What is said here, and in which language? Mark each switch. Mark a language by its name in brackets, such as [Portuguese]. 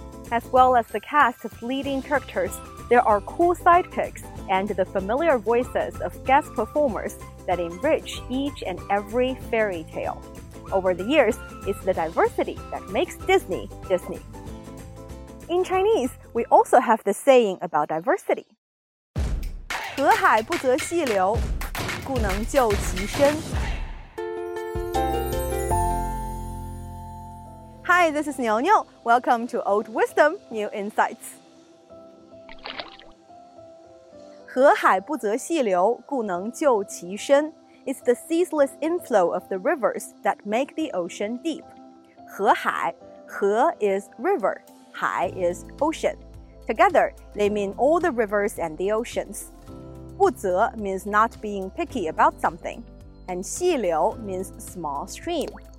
[English] As well as the cast of leading characters, there are cool sidekicks and the familiar voices of guest performers that enrich each and every fairy tale. Over the years, it's the diversity that makes Disney, Disney. In Chinese, we also have the saying about diversity. [Chinese] 河海不择细流，故能就其深。 [English] Hi, this is Niu Niu. Welcome to Old Wisdom, New Insights. [Chinese] 河海不择细流，故能就其深。 [English] It's the ceaseless inflow of the rivers that make the ocean deep. 河海, 河 is river, 海 is ocean. Together, they mean all the rivers and the oceans. 不择 means not being picky about something, and 细流 means small stream.